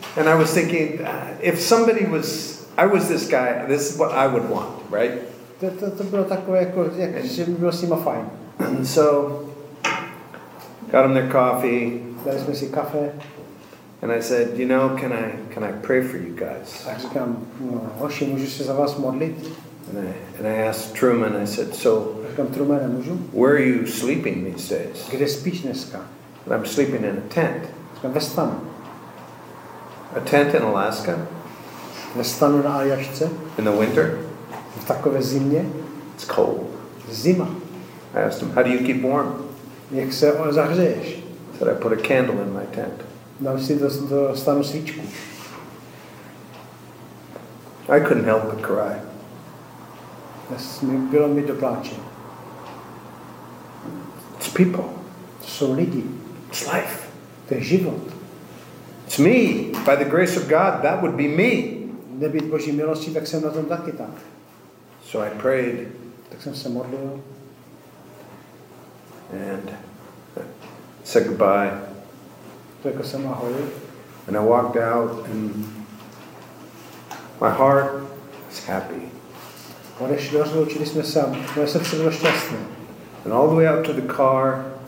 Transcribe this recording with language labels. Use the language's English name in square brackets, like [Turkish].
[English] And I was thinking, if somebody was, I was this guy, this is what I would want, right? [Czech] To bylo takové, jako, jak, and, že by bylo s nima fajn. [English] And so, got him their coffee. [Czech] Dali jsme si kafe. [English] And I said, you know, can I pray for you guys? [Czech] A říkám, hoši, můžu se za vás modlit? [English] And I asked Truman, I said, so, [Czech] říkám, Trumane, můžu? [English] Where are you sleeping these days? [Czech] Kde spíš dneska? [English] And I'm sleeping in a tent. [Czech] Říkám, ve stanu. [English] A tent in Alaska? [Czech] ve stanu na Aljašce. [English] In the winter? [Czech] V takové zimě. [English] It's cold. [Czech] Zima. [English] I asked him, how do you keep warm? [Czech] Jak se zahřeješ? [English] I said, I put a candle in my tent. [Czech] Dám si do stanu svíčku. [English] I couldn't help but cry. [Czech] Bylo mi do pláče. [English] It's people. [Czech] To jsou lidi. [English] It's life. [Czech] To je život. [English] It's me. By the grace of God, that would be me. [Czech] Nebýt Boží milosti, tak jsem na tom taky tam. [English] So I prayed. [Czech] Tak jsem se modlil. [English] And said goodbye. [Czech] Řekl jsem ahoj. [English] And I walked out and my heart is happy. [Czech] Rozloučili jsme se, moje srdce bylo šťastné. [English] And all the way out to the car,